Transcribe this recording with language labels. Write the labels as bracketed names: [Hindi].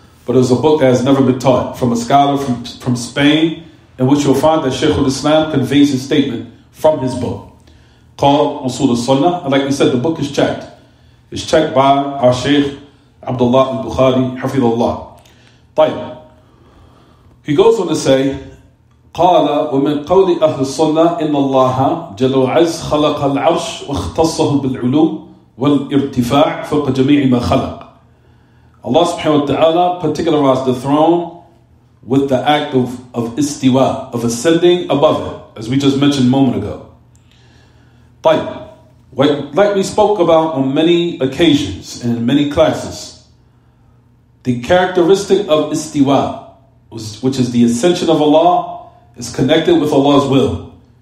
[English] But it was a book that has never been taught from a scholar from Spain, in which you'll find that Shaykh al-Islam conveys his statement from his book, called Usul al-Sunnah. And like we said, the book is checked. It's checked by our Shaykh Abdullah al-Bukhari, Hafidhullah. [Arabic] طيب. [English] He goes on to say, [Arabic] قال ومن قول أهل الصنة إن الله جل وعز خلق العرش واختصه بالعلوم والارتفاع فوق جميع ما خلق. [English] Allah subhanahu wa ta'ala particularized the throne with the act of istiwa, of ascending above it, as we just mentioned a moment ago. [Arabic] طيب. [English] Like we spoke about on many occasions and in many classes, the characteristic of istiwa, which is the ascension of Allah, is connected with Allah's will.